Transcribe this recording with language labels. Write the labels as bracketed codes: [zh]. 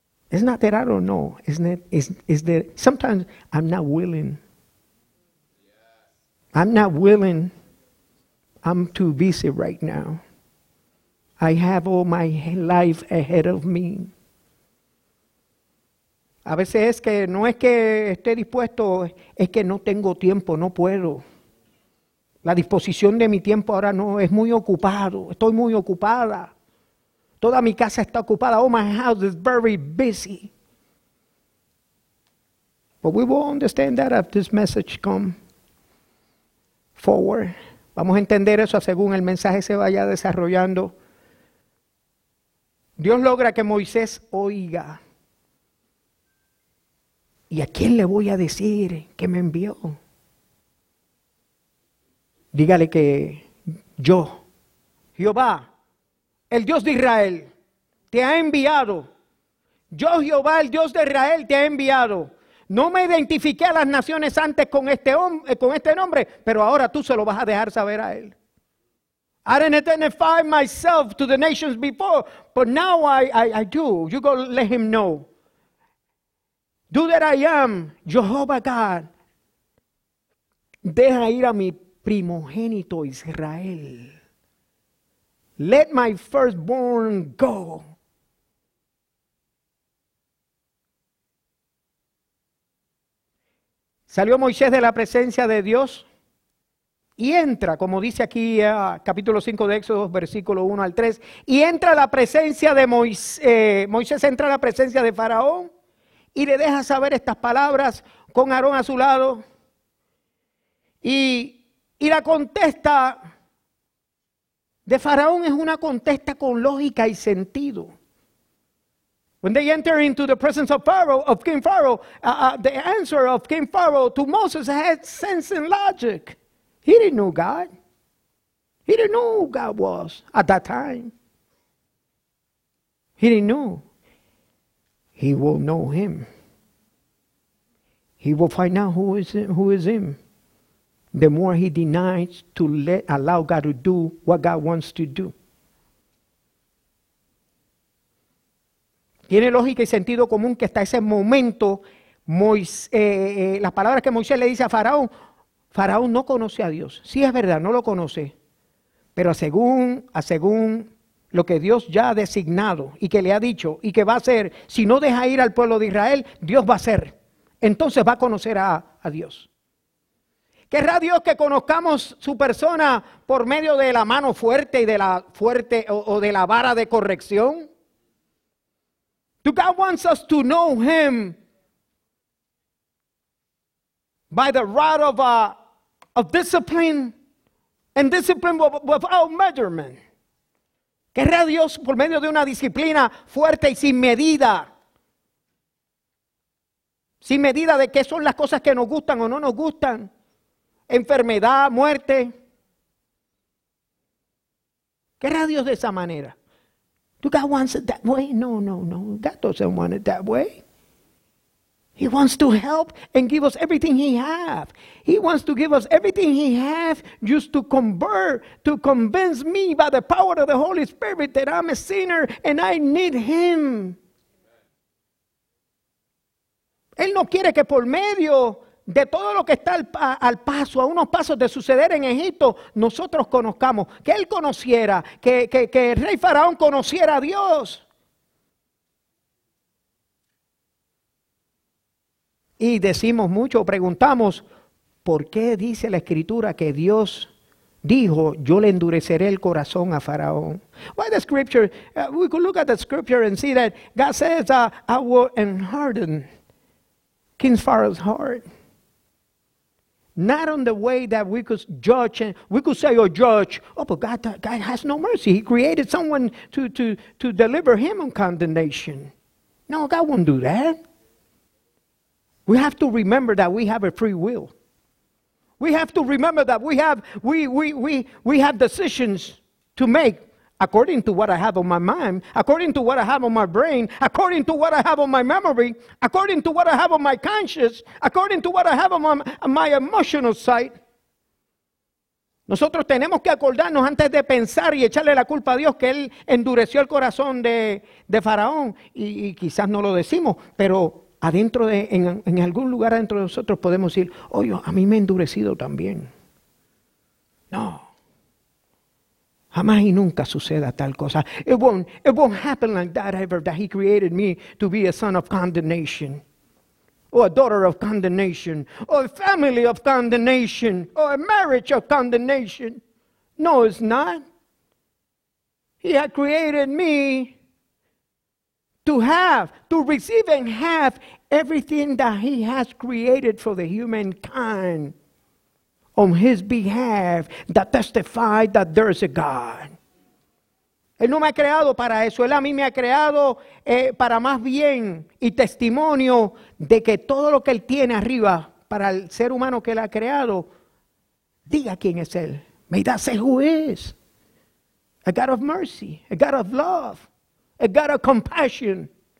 [en] It's not that I don't know, isn't it? Is that sometimes I'm not willing. I'm not willing. I'm too busy right now. I have all my life ahead of me. [es] A veces es que no es que esté dispuesto, es que no tengo tiempo, no puedo. La disposición de mi tiempo ahora no es muy ocupado. Estoy muy ocupada. Toda mi casa está ocupada. [en] Oh, my house is very busy. But we will understand that after this message come forward. [es] Vamos a entender eso según el mensaje se vaya desarrollando. Dios logra que Moisés oiga. ¿Y a quién le voy a decir que me envió? Dígale que yo, Jehová, el Dios de Israel, te ha enviado. Yo, Jehová, el Dios de Israel, te ha enviado. No me identifiqué a las naciones antes con este nombre, pero ahora tú se lo vas a dejar saber a él. [en] I didn't identify myself to the nations before, but now I do. You go let him know. Do that I am, Jehovah God. [es] Deja ir a mi primogénito Israel. [en] Let my firstborn go. [es] Salió Moisés de la presencia de Dios Y entra, como dice aquí capítulo 5 de Éxodo, versículo 1 al 3, y entra a la presencia de Moisés, Moisés entra a la presencia de Faraón y le deja saber estas palabras con Aarón a su lado y la contesta de Faraón es una contesta con lógica y sentido. [en] When they enter into the presence of Pharaoh, of King Pharaoh, the answer of King Pharaoh to Moses had sense and logic. He didn't know God. He didn't know who God was at that time. He didn't know. He will know him. He will find out who is him. Who is him. The more he denies to let allow God to do what God wants to do. [es] Tiene lógica y sentido común que hasta ese momento las palabras que Moisés le dice a Faraón, Faraón no conoce a Dios. Sí, es verdad, no lo conoce. Pero según lo que Dios ya ha designado y que le ha dicho y que va a hacer, si no deja ir al pueblo de Israel, Dios va a hacer. Entonces va a conocer a Dios. ¿Querrá Dios que conozcamos su persona por medio de la mano fuerte y de la fuerte o de la vara de corrección? [en] Do God wants us to know him by the rod of discipline and discipline without measurement? [es] ¿Querrá Dios por medio de una disciplina fuerte y sin medida? Sin medida de qué son las cosas que nos gustan o no nos gustan. Enfermedad, muerte. ¿Querrá Dios de esa manera? [en] Do God wants it that way? No, no, no. God doesn't want it that way. He wants to help and give us everything he has. He wants to give us everything he has just to convert, to convince me by the power of the Holy Spirit that I'm a sinner and I need him. [es] Él no quiere que por medio de todo lo que está al paso, a unos pasos de suceder en Egipto, nosotros conozcamos, que él conociera, que el rey Faraón conociera a Dios. Y decimos mucho, preguntamos, ¿por qué dice la escritura que Dios dijo, yo le endureceré el corazón a Faraón? [en] Why the scripture, we could look at the scripture and see that God says, I will harden King Pharaoh's heart. Not on the way that we could judge, and we could say or judge, oh, but God has no mercy. He created someone to deliver him on condemnation. No, God won't do that. We have to remember that we have a free will. We have to remember that we have decisions to make according to what I have on my mind, according to what I have on my brain, according to what I have on my memory, according to what I have on my conscience, according to what I have on my emotional side. [es] Nosotros tenemos que acordarnos antes de pensar y echarle la culpa a Dios que él endureció el corazón de Faraón. Y quizás no lo decimos, pero adentro en algún lugar adentro de nosotros podemos decir, oye, a mí me he endurecido también. No. Jamás y nunca suceda tal cosa. [en] It won't happen like that ever, that he created me to be a son of condemnation, or a daughter of condemnation, or a family of condemnation, or a marriage of condemnation. No, it's not. He had created me to have, to receive and have everything that he has created for the humankind. On his behalf, that testified that there is a God. [es] Él no me ha creado para eso. Él a mí me ha creado para más bien y testimonio de que todo lo que él tiene arriba para el ser humano que él ha creado, diga quién es él. [en] May that say who is. A God of mercy, a God of love, a God of compassion.